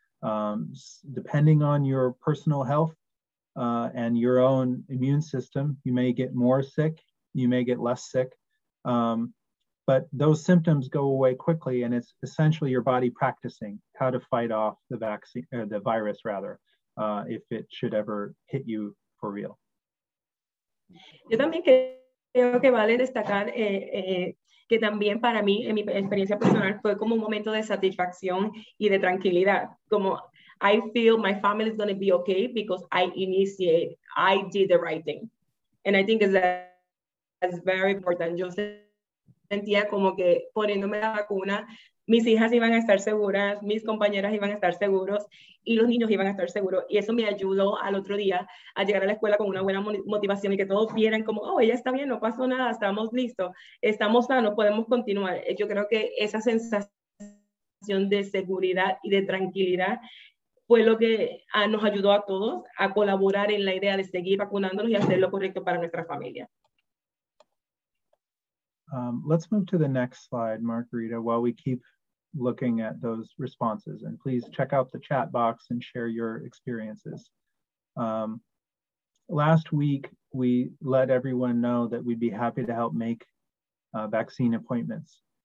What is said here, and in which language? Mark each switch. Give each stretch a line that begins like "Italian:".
English: Depending on your personal health and your own immune system, you may get more sick, you may get less sick, but those symptoms go away quickly, and it's essentially your body practicing how to fight off the vaccine, the virus rather, if it should ever hit you for real.
Spanish: Yo también creo que vale destacar que también para mí, en mi experiencia personal, fue como un momento de satisfacción y de tranquilidad.
English: Como, I feel my family is going to be okay because I initiate, I did the right thing. And I think that's very important.
Spanish: Yo sentía como que poniéndome la vacuna, mis hijas iban a estar seguras, mis compañeras iban a estar seguros y los niños iban a estar seguros. Y eso me ayudó al otro día a llegar a la escuela con una buena motivación y que todos vieran como, oh, ella está bien, no pasó nada, estamos listos, estamos sanos, podemos continuar. Yo creo que esa sensación de seguridad y de tranquilidad fue lo que nos ayudó a todos a colaborar en la idea de seguir vacunándonos y hacer lo correcto para nuestra familia.
English: Let's move to the next slide, Margarita, while we keep looking at those responses. And please check out the chat box and share your experiences. Last week, we let everyone know that we'd be happy to help make vaccine appointments.